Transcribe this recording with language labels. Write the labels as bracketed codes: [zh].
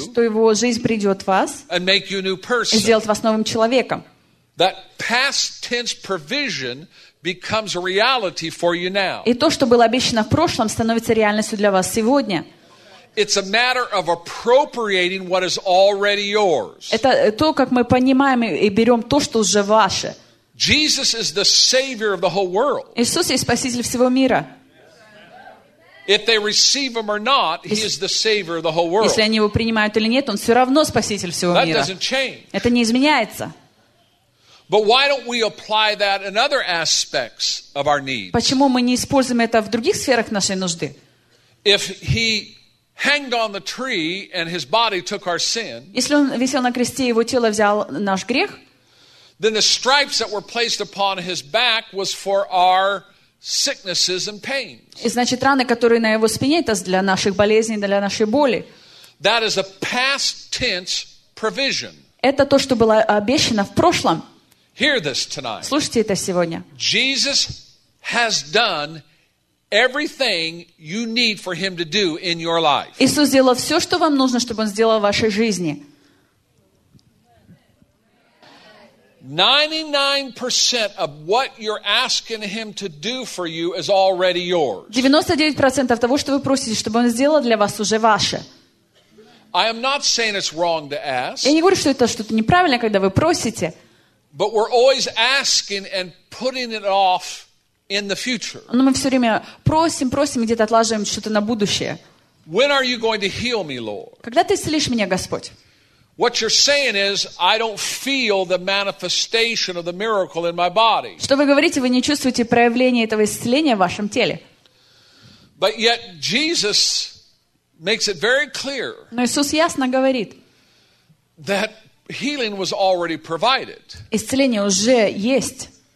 [ru] что его жизнь придет в вас, [en] and make you a new person, [ru] и сделать вас новым человеком. [en] That past tense provision becomes a reality for you now. [ru] И то, что было обещано в прошлом, становится реальностью для вас сегодня. [en] It's a matter of appropriating what is already yours. [ru] Это то, как мы понимаем и берем то, что уже ваше. [en] Jesus is the Savior of the whole world. [ru] Иисус есть спаситель всего мира. [en] If they receive him or not, he is the savior of the whole world. [ru] Если они его принимают или нет, он все равно спаситель всего мира. [en] That doesn't change. [ru] Это не изменяется. [en] But why don't we apply that in other aspects of our needs? [ru] Почему мы не используем это в других сферах нашей нужды? [en] If he hanged on the tree and his body took our sin, [ru] если он висел на кресте и его тело взял наш грех, [en] then the stripes that were placed upon his back was for our sicknesses and pains. [ru] И значит, раны, которые на его спине, это для наших болезней, для нашей боли. [en] That is a past tense provision. [ru] Это то, что было обещано в прошлом. [en] Hear this tonight. [ru] Слушайте это сегодня. [en] Jesus has done everything you need for him to do in your life. [ru] Иисус сделал все, что вам нужно, чтобы он сделал в вашей жизни. [en] 99% of what you're asking him to do for you is already yours. [ru] 99% того, что вы просите, чтобы он сделал для вас, уже ваше. [en] I am not saying it's wrong to ask. [ru] Я не говорю, что это что-то неправильное, когда вы просите. [en] But we're always asking and putting it off in the future. [ru] Но мы все время просим, просим, где-то отлаживаем что-то на будущее. [en] When are you going to heal me, Lord? [ru] Когда ты исцелишь меня, Господь? [en] What you're saying is, I don't feel the manifestation of the miracle in my body. [ru] Что вы говорите, вы не чувствуете проявление этого исцеления в вашем теле. [en] But yet Jesus makes it very clear. [ru] Но Иисус ясно говорит. [en] That healing was already provided. [ru] Исцеление уже есть.